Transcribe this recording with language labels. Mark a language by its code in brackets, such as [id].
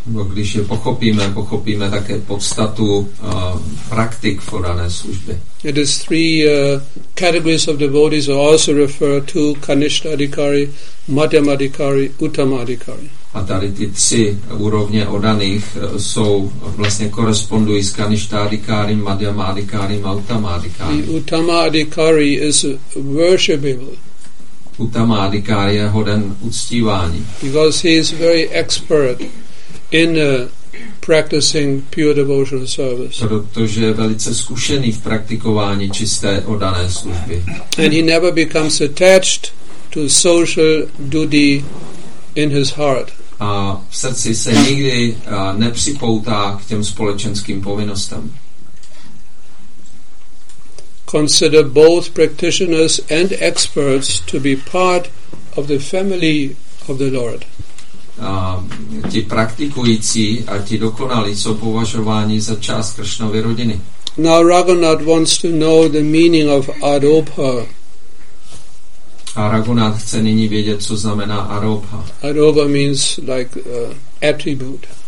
[cs] No, když je pochopíme také podstatu praktik v oddané službě. [en] It is three categories of devotees are also referred to Kanishtha Adhikari, Madhyama Adhikari, Uttama Adhikari. [cs] A tady ty tři úrovně oddaných jsou vlastně korespondují s Kanishtha Adhikari, Madhyama Adhikari a Uttama Adhikari. [en] The Uttama Adhikari is worshipable. [cs] Uttama Adhikari je hoden uctívání. [en] Because he is very expert in practicing pure devotional service. [cs] Protože je velice zkušený v praktikování čisté oddané služby. [en] And he never becomes attached to social duty in his heart. [cs] A v srdci se nikdy nepřipoutá k těm společenským povinnostem. [en] Consider both practitioners and experts to be part of the family of the Lord. [cs] Ti praktikující a ti dokonalí jsou považováni za část Kršnovy rodiny. [en] Now Raghunath wants to know the meaning of Arupa. [cs] A Raghunath chce nyní vědět, co znamená Arupa. [en] Arupa means like attribute.